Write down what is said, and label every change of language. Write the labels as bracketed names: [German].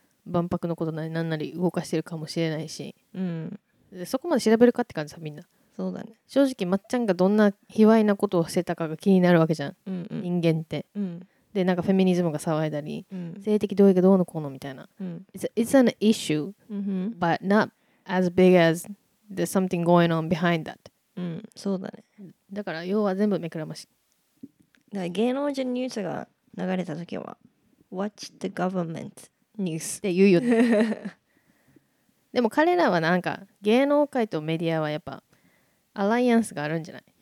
[Japanese] 万博のことなり何なり動かしてるかもしれないし、うん、でそこまで調べるかって感じさ、みんな。そうだね、正直まっちゃんがどんな卑猥なことをしてたかが気になるわけじゃん、うんうん、人間って、うん、でなんかフェミニズムが騒いだり、うん、性的同意がどうのこうのみたいな、うん、 [English] It's an issue、 mm-hmm. but not as big as there's something going on behind that、 [Japanese] うん、そうだね。だから要は全部目くらまし。だから芸能人ニュースが流れた時は [English] Watch the government news [Japanese] って言うよ、ね、でも彼らはなんか芸能界とメディアはやっぱアライアンスがあるんじゃない。